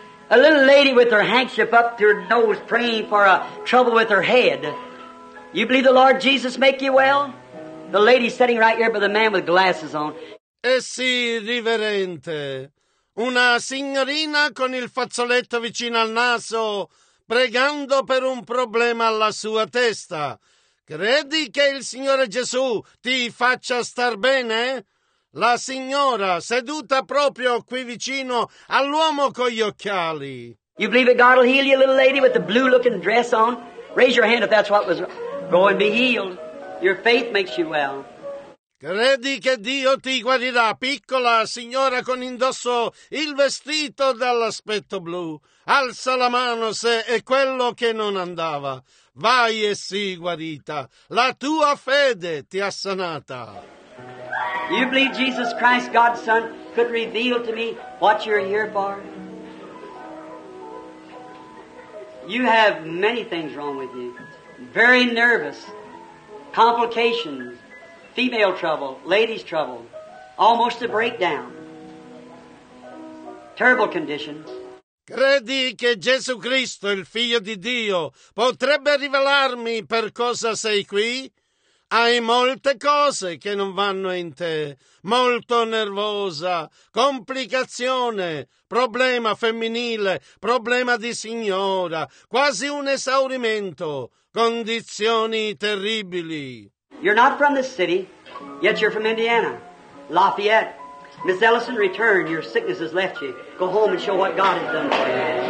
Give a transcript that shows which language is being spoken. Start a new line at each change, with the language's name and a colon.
English: A little lady with her handkerchief up to her nose praying for a trouble with her head. You believe the Lord Jesus make you well? The lady sitting right here by the man with glasses on.
Italian: Eh sì, riverente. Una signorina con il fazzoletto vicino al naso pregando per un problema alla sua testa. Credi che il Signore Gesù ti faccia star bene? La signora seduta proprio qui vicino all'uomo con gli occhiali.
English: You believe that God will heal you, little lady with the blue looking dress on? Raise your hand if that's what was wrong. Go and be healed. Your faith makes you well.
Italian: Credi che Dio ti guarirà, piccola signora con indosso il vestito dall'aspetto blu. Alza la mano se è quello che non andava. Vai e sii guarita. La tua fede ti ha sanata.
English: You believe Jesus Christ, God's Son, could reveal to me what you're here for? You have many things wrong with you. Very nervous. Complications. Female trouble. Ladies' trouble. Almost a breakdown. Terrible conditions.
Italian: Credi che Gesù Cristo, il Figlio di Dio, potrebbe rivelarmi per cosa sei qui? Hai molte cose che non vanno in te, molto nervosa, complicazione, problema femminile, problema di signora, quasi un esaurimento, condizioni terribili.
English: You're not from the city, yet you're from Indiana, Lafayette. Miss Ellison, return, your sickness has left you. Go home and show what God has done for you.